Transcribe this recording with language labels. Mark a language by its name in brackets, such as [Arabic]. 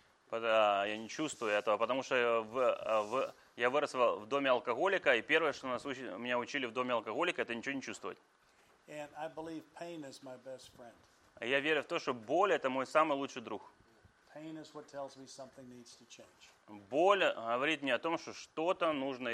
[Russian] Я не чувствую этого, потому что я вырос в доме алкоголика, и первое, что меня учили в доме алкоголика, это ничего не чувствовать. [English] And I believe pain is my best friend. [Russian] Я верю в то, что боль – это мой самый лучший друг. [English] Pain is what tells me something needs to change. [Russian] Боль говорит мне о том, что что-то нужно